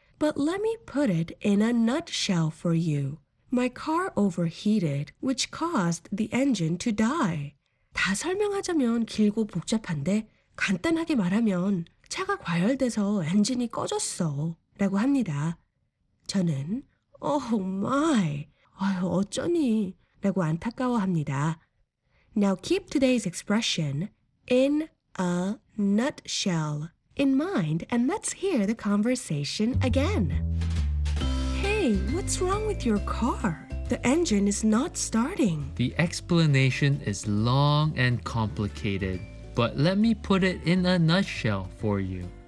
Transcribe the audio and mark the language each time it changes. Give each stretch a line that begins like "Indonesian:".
English: But let me put it in a nutshell for you. My car overheated, which caused the engine to die.
Korean: 다 설명하자면 길고 복잡한데 간단하게 말하면 차가 과열돼서 엔진이 꺼졌어 라고 합니다. 저는
English: Oh my,
Korean: 아유 어쩌니 라고 안타까워합니다.
English: Now keep today's expression, in a nutshell, in mind, and let's hear the conversation again. Hey, what's wrong with your car? The engine is not starting. The explanation is long and complicated, but let me put it in a nutshell for you.